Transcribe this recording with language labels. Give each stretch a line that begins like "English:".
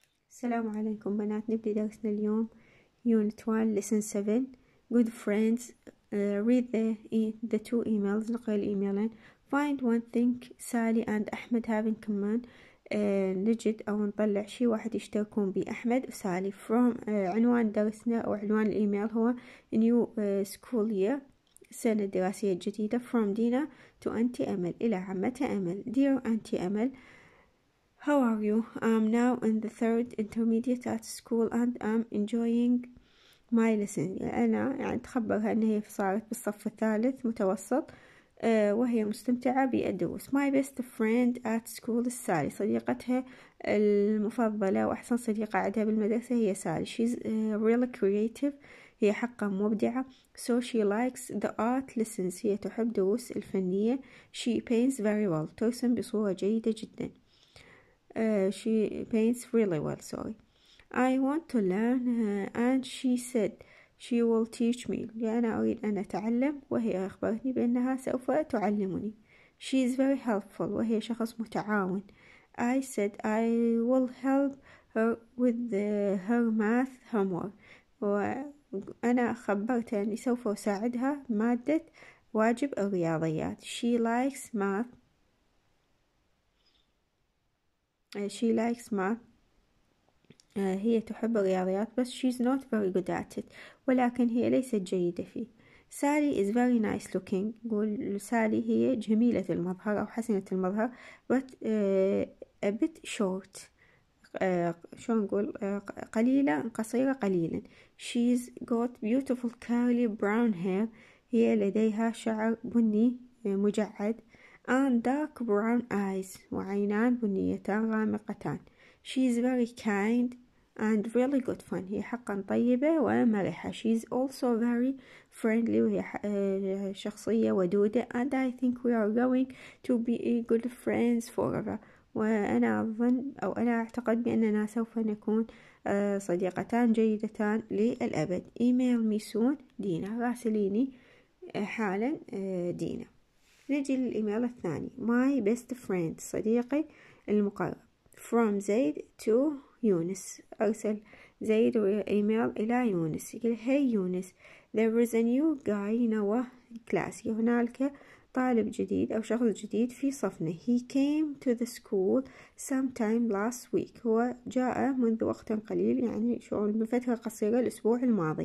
Arabic: السلام عليكم بنات، نبدأ درسنا اليوم يونت 1 لسن 7
English: good friends. Read the two emails.
Arabic: نقرأ الإيميلين.
English: Find one thing Sally and Ahmed have in common.
Arabic: نجد أو نطلع شيء واحد يشتركون به أحمد وسالي. From عنوان درسنا أو عنوان الإيميل هو
English: new school year،
Arabic: سنة دراسية جديدة.
English: From Dina to Auntie Emel،
Arabic: إلى عمتها أمل.
English: Dear Auntie Emel، How are you? I'm now in the third intermediate at school and I'm enjoying my lesson.
Arabic: أنا يعني تخبرها أن هي صارت بالصف الثالث متوسط وهي مستمتعة بالدروس.
English: My best friend at school is Sally.
Arabic: صديقتها المفضلة وأحسن صديقة عندها بالمدرسة هي سالي.
English: She's really creative.
Arabic: هي حقا مبدعة.
English: So she likes the art lessons.
Arabic: هي تحب دروس الفنية.
English: She paints very well.
Arabic: ترسم بصورة جيدة جدا.
English: She paints really well. Sorry. I want to learn and she said she will teach me.
Arabic: أنا أريد أن أتعلم وهي أخبرتني بأنها سوف تعلمني.
English: She is very helpful.
Arabic: وهي شخص متعاون.
English: I said I will help her with her math homework.
Arabic: وأنا خبرتها أني سوف أساعدها مادة واجب الرياضيات.
English: She likes math. She likes math.
Arabic: هي تحب الرياضيات بس
English: she's not very good at it.
Arabic: ولكن هي ليست جيدة فيه.
English: Sally is very nice looking.
Arabic: قول سالي هي جميلة المظهر أو حسنة المظهر.
English: But a bit short.
Arabic: شو نقول قليلة قصيرة قليلا.
English: She's got beautiful curly brown hair.
Arabic: هي لديها شعر بني مجعد.
English: And dark brown eyes.
Arabic: وعينان بنيتان غامقتان.
English: She is very kind and really good fun.
Arabic: هي حقا طيبة ومرحة.
English: She is also very friendly.
Arabic: وهي شخصية ودودة.
English: And I think we are going to be good friends forever.
Arabic: وأنا أظن أو أنا أعتقد بأننا سوف نكون صديقتان جيدتان للأبد.
English: Email me soon
Arabic: دينا. راسليني حالا دينا. نجي للإيميل الثاني.
English: My best friend
Arabic: صديقي المقرب.
English: From Zaid to Yunus.
Arabic: أرسل زيد إيميل إلى يونس. يقول
English: Hey Yunus. There is a new guy in our class.
Arabic: هناك طالب جديد أو شخص جديد في صفنا.
English: He came to the school sometime last week.
Arabic: هو جاء منذ وقت قليل يعني شغل بفترة قصيرة الأسبوع الماضي.